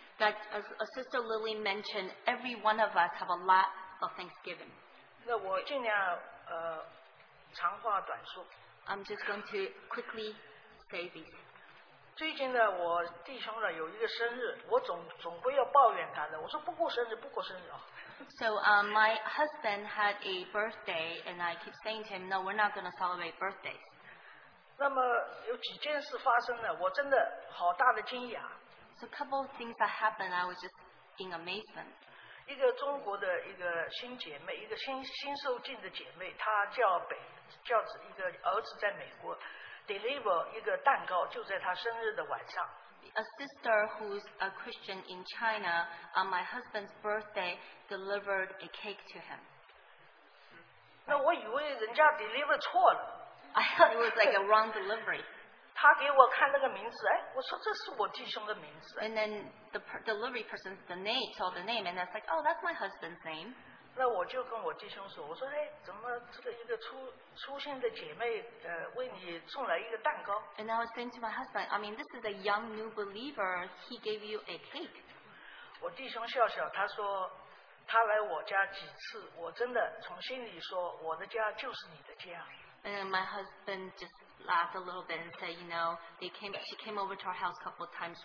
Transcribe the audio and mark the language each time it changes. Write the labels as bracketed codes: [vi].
[en] That as Sister Lily mentioned, every one of us have a lot of thanksgiving. [zh] 那我尽量长话短说。 [en] I'm just going to quickly say these. [zh] 最近呢，我弟兄呢有一个生日，我总归要抱怨他的。我说不过生日，不过生日啊。So [en] my husband had a birthday, and I keep saying to him, "No, we're not going to celebrate birthdays." [zh] 那么有几件事发生了，我真的好大的惊讶。 [en] So a couple of things that happened, I was just in amazement. [zh] 一个中国的一个新姐妹，一个新受浸的姐妹，她叫北，叫一个儿子在美国，deliver 一个蛋糕，就在她生日的晚上。 [en] a sister who's a Christian in China, on my husband's birthday, delivered a cake to him. [zh] 那我以为人家 deliver 错了。 [en] I thought it was like a wrong delivery. [zh] 他给我看那个名字, 哎, 我说这是我弟兄的名字。 [en] And then the delivery person, the name, saw the name, and I was like, oh, that's my husband's name. [zh] 那我就跟我弟兄说，我说， 哎, 怎么这个一个初信的姐妹, 呃, 为你送来一个蛋糕。 [en] And I was saying to my husband, I mean, this is a young new believer, he gave you a cake. [zh] 我弟兄笑笑, 他说, 他来我家几次, 我真的从心里说, 我的家就是你的家。 [en] And then my husband just laughed a little bit and said, you know, she came over to our house a couple of times.